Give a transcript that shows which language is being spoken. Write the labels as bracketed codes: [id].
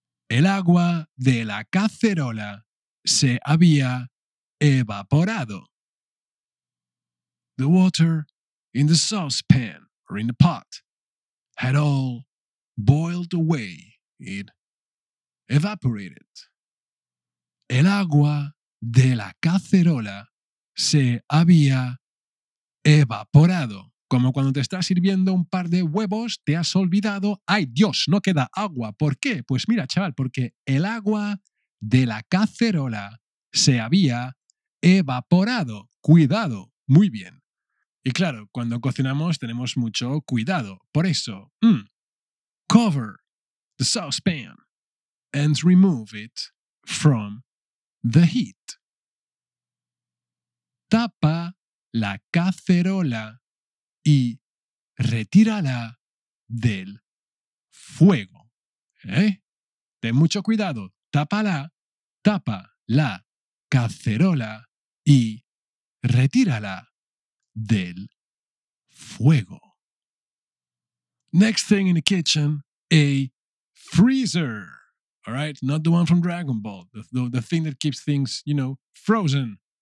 [es] El agua de la cacerola se había evaporado. [en] The water in the saucepan or in the pot had all boiled away. It evaporated. [es] El agua de la cacerola se había evaporado. Como cuando te estás sirviendo un par de huevos, te has olvidado, ¡ay Dios, no queda agua! ¿Por qué? Pues mira, chaval, porque el agua de la cacerola se había evaporado. ¡Cuidado! Muy bien. Y claro, cuando cocinamos tenemos mucho cuidado. Por eso, [en] cover the saucepan and remove it from the heat. [es] Tapa la cacerola y retírala del fuego. ¿Eh? Ten mucho cuidado. Tapa la cacerola y retírala del fuego. [en] Next thing in the kitchen, a freezer. All right, not the one from Dragon Ball, the thing that keeps things, you know, frozen.